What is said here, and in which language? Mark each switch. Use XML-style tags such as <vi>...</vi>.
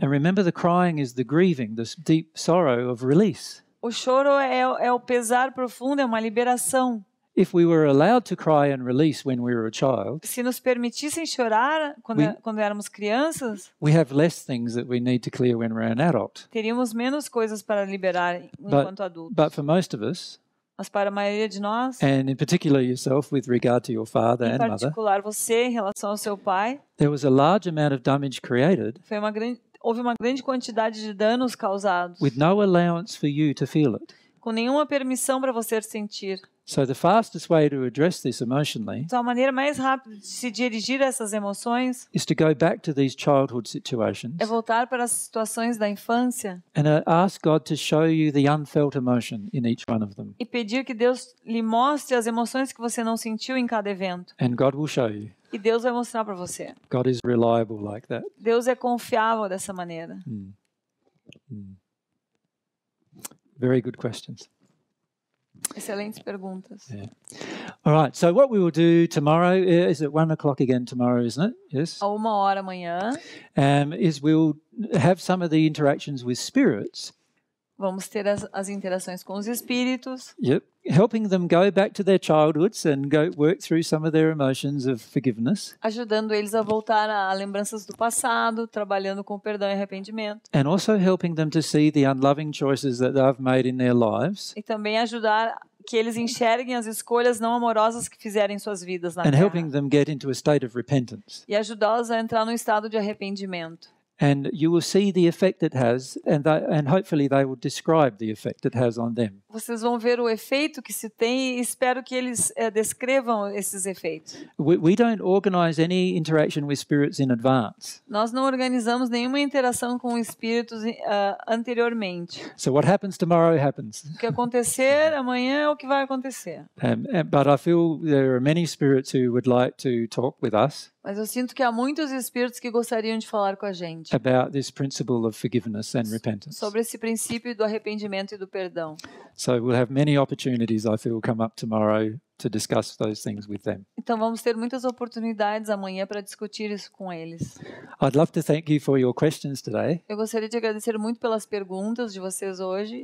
<en>And remember, the crying is the grieving, the deep sorrow of release.</en> <pt>O choro é o pesar profundo, é uma liberação.</pt> <en>If we were allowed to cry and release when we were a child,</en> <pt>se nos permitissem chorar quando éramos crianças,</pt> <en>we have less things that we need to clear when we're an adult.</en> <pt>Teríamos menos coisas para liberar enquanto adultos.</pt> <en>But for most of us,</en> <pt>mas para a maioria de nós,</pt> <en>and in particular yourself with regard to your father and mother,</en> <pt>em particular você em relação ao seu pai,</pt> <en>there was a large amount of damage created.</en> <pt>Houve uma grande quantidade de danos causados.</pt> <en>With no allowance for you to feel it.</en> <pt>Com nenhuma permissão para você sentir.</pt> <en>So the fastest way to address this emotionally,</en> <pt>então, a maneira mais rápida de se dirigir a essas emoções,</pt> <en>is to go back to these childhood situations,</en> <pt>é voltar para as situações da infância,</pt> <en>and ask God to show you the unfelt emotion in each one of them.</en> <pt>E pedir que Deus lhe mostre as emoções que você não sentiu em cada evento.</pt> <en>And God will show you.</en> <pt>E Deus vai mostrar para você.</pt> <en>God is reliable like that.</en> <pt>Deus é confiável dessa maneira.</pt> <en>Very good questions.</en> <pt>Excelentes perguntas.</pt> <en>Yeah. All right. So what we will do tomorrow is at 1 o'clock again tomorrow, isn't it? Yes.</en> <pt>A 1 hora amanhã.</pt> <en>Is we'll have some of the interactions with spirits.</en> <pt>Vamos ter as interações com os espíritos.</pt> <en>Yep. Helping them go back to their childhoods and go work through some of their emotions of forgiveness.</en> <pt>Ajudando eles a voltar a lembranças do passado, trabalhando com perdão e arrependimento.</pt> <en>And also helping them to see the unloving choices that they've made in their lives.</en> <pt>E também ajudar que eles enxerguem as escolhas não amorosas que fizeram em suas vidas na terra.</pt> <en>And helping them get into a state of repentance.</en> <pt>E ajudá-los a entrar num estado de arrependimento.</pt> <en>And you will see the effect it has, and hopefully they will describe the effect it has on them.</en> <pt>Vocês vão ver o efeito que se tem e espero que eles descrevam esses efeitos.</pt> <en>We don't organize any interaction with spirits in advance.</en> <pt>Nós não organizamos nenhuma interação com espíritos anteriormente.</pt> <en>So what happens tomorrow happens.</en> <pt>O que acontecer amanhã é o que vai acontecer.</pt> <en>But I feel there are many spirits who would like to talk with us.</en> <pt>Mas eu sinto que há muitos espíritos que gostariam de falar com a gente.</pt> <en>About this principle of forgiveness and repentance.</en> <pt>Sobre esse princípio do arrependimento e do perdão.</pt> <en>So we'll have many opportunities, I feel, come up tomorrow to discuss those things with them.</en> <pt>Então vamos ter muitas oportunidades amanhã para discutir isso com eles.</pt> <en>I'd love to thank you for your questions today.</en> <pt>Eu gostaria de agradecer muito pelas perguntas de vocês hoje.</pt>